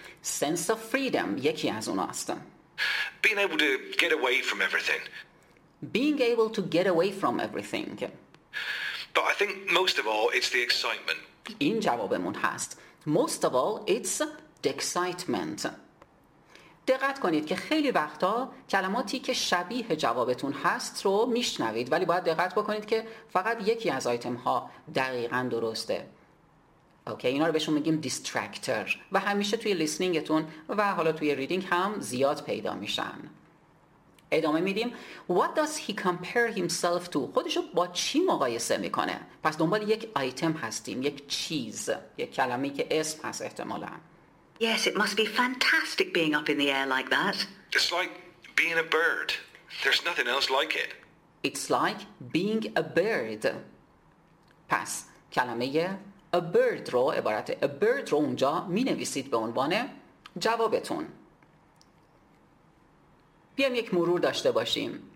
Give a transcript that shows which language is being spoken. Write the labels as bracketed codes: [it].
[en] Sense of freedom, [fa] یکی از اوناست. [en] Being able to get away from everything. Being able to get away from everything. But I think most of all it's the excitement. [fa] این جوابمون هست. [en] Most of all it's the excitement. [fa] دقت کنید که خیلی وقتا کلماتی که شبیه جوابتون هست رو میشنوید، ولی باید دقت بکنید که فقط یکی از آیتم ها دقیقاً درسته. اوکی، اینا رو بهشون میگیم distractor و همیشه توی لیسنینگتون و حالا توی ریدینگ هم زیاد پیدا میشن. ادامه میدیم. [en] What does he compare himself to؟ [fa] خودشو با چی مقایسه میکنه؟ پس دنبال یک آیتم هستیم، یک چیز، یک کلمه‌ای که اسم هست احتمالاً. [en] Yes, it must be fantastic being up in the air like that. It's like being a bird. There's nothing else like it. It's like being a bird. [fa] پس کلمه a bird رو، عبارت a bird رو اونجا می نویسید به عنوان جوابتون. بیام یک مرور داشته باشیم.